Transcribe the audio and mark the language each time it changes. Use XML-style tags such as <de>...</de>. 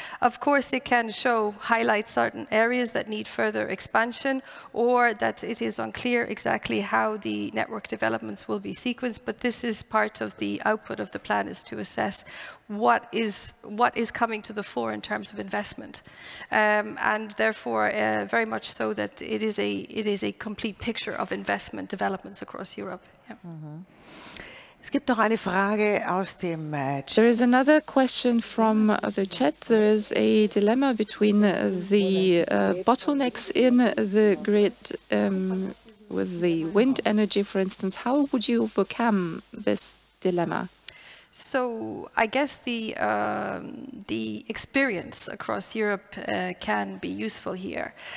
<en>Of course, it can show, highlight certain areas that need further expansion, or that it is unclear exactly how the network developments will be sequenced, but this is part of the output of the plan, is to assess what is coming to the fore in terms of investment. And therefore, very much so that it is a complete picture of investment developments across Europe.</en> <de>Es gibt noch eine Frage aus dem Chat.</de> <en>There is another question from the chat. There is a dilemma between the bottlenecks in the grid with the wind energy, for instance. How would you overcome this dilemma? So I guess the experience across Europe can be useful here.</en>